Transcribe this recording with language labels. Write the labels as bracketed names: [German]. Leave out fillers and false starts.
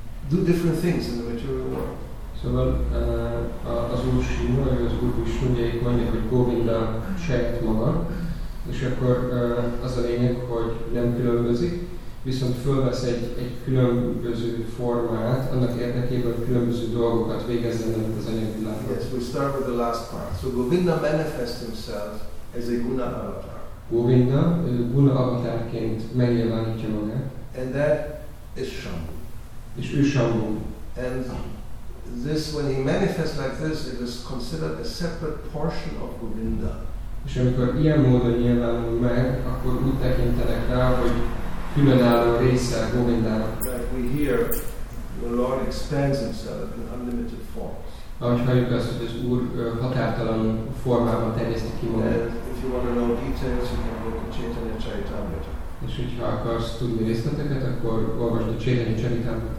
[English] do different things in the material world. [Hungarian] Szóval az Úr Sima, vagy az Úr Visnújaik mondják, hogy Govinda csekt maga, és akkor az a lényeg, hogy nem különbözik, viszont fölvesz egy különböző formát, annak érdekében, hogy különböző dolgokat végezzen előtt az anyagi világban. [English] Yes, we start with the last part. So Govinda manifests himself as a guna avatar. [Hungarian] Govinda guna avatarként megjelenítja magát. [English] And that is Shambhu. [Hungarian] És ő Shambhu. [English] And this, when he manifests like this, it is considered a separate portion of Govinda. [Hungarian] És amikor ilyen módon nyilvánul meg, akkor úgy tekintenek rá, hogy különálló része Govindának. [English] Like we hear, the Lord expands himself in unlimited forms. [Hungarian] Ahogy halljuk azt, hogy az Úr határtalan formában terjeszti ki magát. [English] And if you want to know details, you can go to Chaitanya Charitamrita. [Hungarian] És hogyha akarsz tudni részleteket, akkor olvasd a Chaitanya Charitamrita.